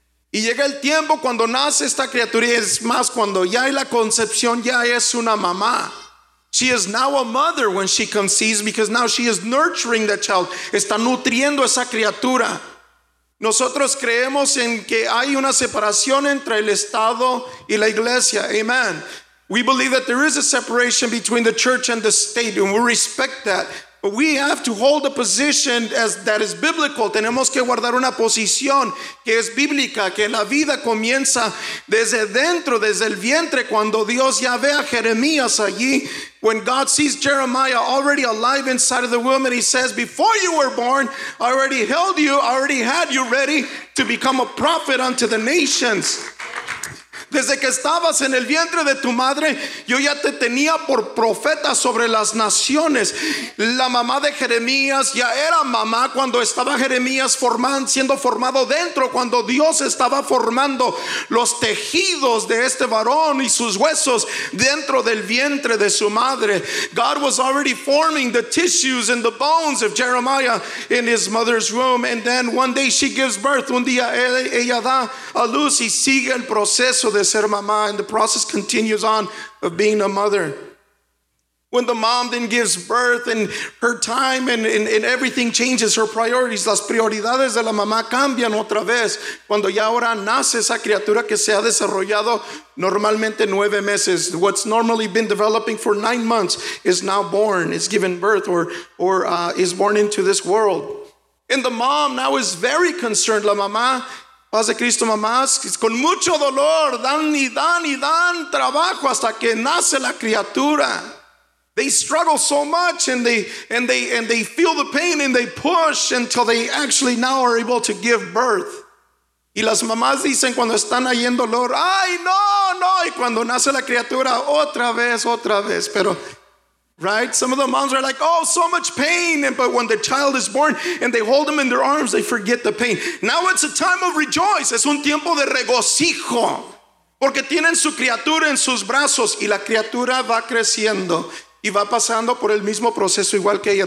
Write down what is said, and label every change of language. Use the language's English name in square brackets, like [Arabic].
[Spanish] Y llega el tiempo cuando nace esta criatura, es más, cuando ya hay la concepción, ya es una mamá. [English] She is now a mother when she conceives, because now she is nurturing that child. [Spanish] Está nutriendo esa criatura. Nosotros creemos en que hay una separación entre el Estado y la Iglesia. Amen. [English] We believe that there is a separation between the church and the state, and we respect that. But we have to hold a position that is biblical. [Spanish] Tenemos que guardar una posición que es bíblica, que la vida comienza desde dentro, desde el vientre, cuando Dios ya ve a Jeremías allí. [English] When God sees Jeremiah already alive inside of the womb, and he says, before you were born, I already held you, I already had you ready to become a prophet unto the nations. [Spanish] Desde que estabas en el vientre de tu madre, yo ya te tenía por profeta sobre las naciones. La mamá de Jeremías ya era mamá cuando estaba Jeremías siendo formado dentro, cuando Dios estaba formando los tejidos de este varón y sus huesos dentro del vientre de su madre. [English] God was already forming the tissues and the bones of Jeremiah in his mother's womb. And then one day she gives birth. [Spanish] Un día ella da a luz y sigue el proceso de ser mamá, [English] and the process continues on of being a mother. When the mom then gives birth, and her time and everything changes, her priorities, [Spanish] las prioridades de la mamá cambian otra vez cuando ya ahora nace esa criatura que se ha desarrollado normalmente 9 meses. [English] What's normally been developing for 9 months is now born, is given birth, or is born into this world. And the mom now is very concerned. [Spanish] La mamá, Paz de Cristo, mamás, con mucho dolor, dan trabajo hasta que nace la criatura. They struggle so much and they feel the pain and they push until they actually now are able to give birth. Y las mamás dicen cuando están ahí en dolor, ¡ay, no, no! Y cuando nace la criatura, otra vez, pero... [English] Right? Some of the moms are like, oh, so much pain. But when the child is born and they hold him in their arms, they forget the pain. Now it's a time of rejoice. [Spanish] Es un tiempo de regocijo. Porque tienen su criatura en sus brazos y la criatura va creciendo y va pasando por el mismo proceso igual que ella.